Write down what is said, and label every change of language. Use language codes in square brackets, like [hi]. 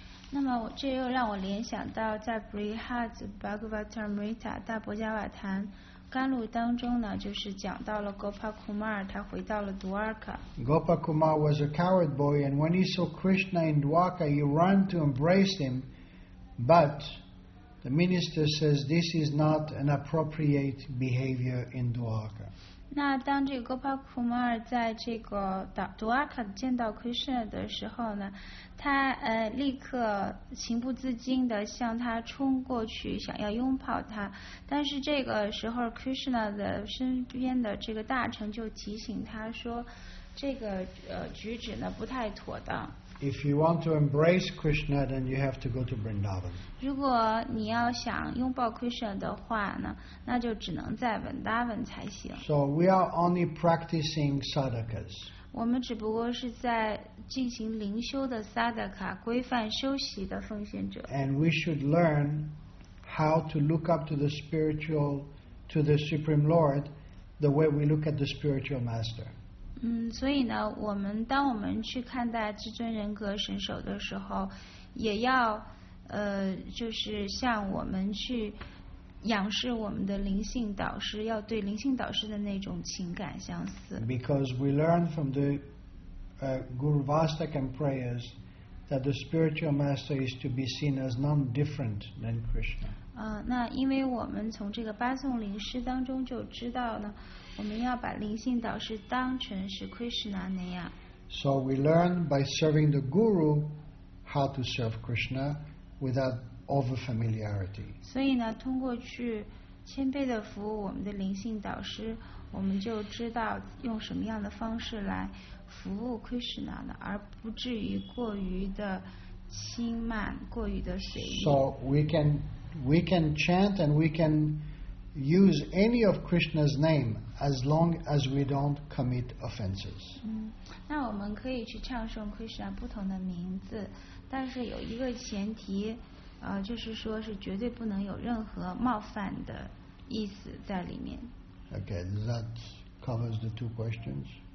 [zh] 那么这又让我联想到在 Brihad Bhagavatamrita 大伯加瓦坛甘露当中呢，就是讲到了 Gopakumar, 他回到了 Dwarka. [en] Gopakumar was a coward boy, and when he saw Krishna in Dwarka, he ran to embrace him, but the minister says this is not an appropriate behavior in Dwarka. [zh] 那当这个 Gopakumar 在这个 Dwarka 见到 Krishna 的时候呢，他立刻情不自禁地向他冲过去，想要拥抱他。但是这个时候 Krishna 的身边的这个大臣就提醒他说，这个举止呢不太妥当。 [en] If you want to embrace Krishna, then you have to go to Vrindavan. [zh] 如果你要想拥抱 Krishna 的话呢，那就只能在 Vrindavan 才行。 [en] So we are only practicing sadhakas. [zh] 我们只不过是在进行灵修的 sadhaka, 规范修习的奉献者。 [en] And we should learn how to look up to the spiritual, to the Supreme Lord, the way we look at the spiritual master. [zh] 所以呢，我们当我们去看待至尊人格神手的时候，也要就是像我们去仰视我们的灵性导师，要对灵性导师的那种情感相似。 [en] Because we learn from the Guru Vastaka prayers that the spiritual master is to be seen as none different than Krishna. [zh] 那因为我们从这个八颂灵诗当中就知道呢。我们要把灵性导师当成是 Krishna 那样。 [en] So we learn by serving the guru how to serve Krishna without over familiarity. [zh] 所以呢，通过去谦卑的服务我们的灵性导师，我们就知道用什么样的方式来服务 Krishna 呢，而不至于过于的轻慢，过于的随意。 [en] So we can chant and we can use any of Krishna's name as long as we don't commit offenses. [zh] 那我们可以去唱诵 Krishna 不同的名字，但是有一个前提，就是说是绝对不能有任何冒犯的意思在里面。 [en] Okay, does that covers the two questions?